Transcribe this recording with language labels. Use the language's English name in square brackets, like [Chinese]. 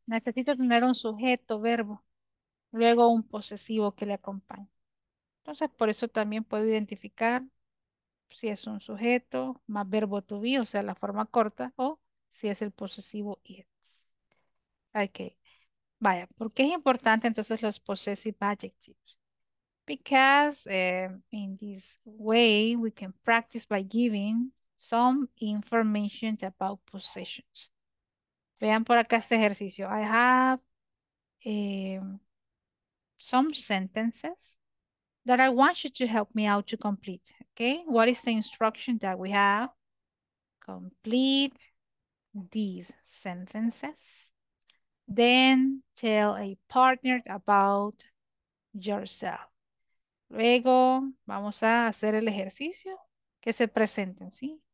[Spanish] Necesito tener un sujeto, verbo, luego un posesivo que le acompañe. Entonces, por eso también puedo identificar si es un sujeto más verbo to be, o sea, la forma corta, o si es el posesivo it's. Ok. Vaya, ¿por qué es importante entonces los possessive adjectives? [English] Because in this way we can practice by giving some information about possessions. [Spanish] Vean por acá este ejercicio. [English] I have some sentences that I want you to help me out to complete. Okay, what is the instruction that we have? Complete these sentences. Then tell a partner about yourself. [Spanish] Luego vamos a hacer el ejercicio que se presenten, ¿sí?